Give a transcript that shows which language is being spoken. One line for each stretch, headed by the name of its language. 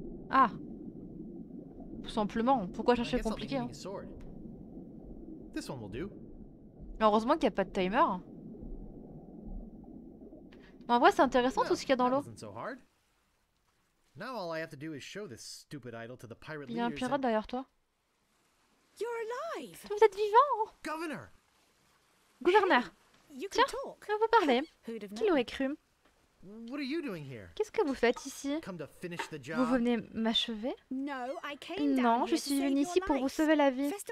French: Ah. Tout simplement, pourquoi chercher compliqué hein.
English: This one will do.
French: Heureusement qu'il n'y a pas de timer. Mais en vrai, c'est intéressant tout ce qu'il y a dans l'eau.
English: So now all I have to do is show this stupid idol to the pirate leader.
French: Il y a un pirate derrière toi.
English: You're alive.
French: Vous êtes vivant.
English: Governor.
French: Gouverneur. Tiens, on va parler. Qui l'aurait cru?
English: What are you doing here?
French: Qu'est-ce que vous faites ici? Vous venez m'achever? Non, je suis venu ici pour vous sauver la vie.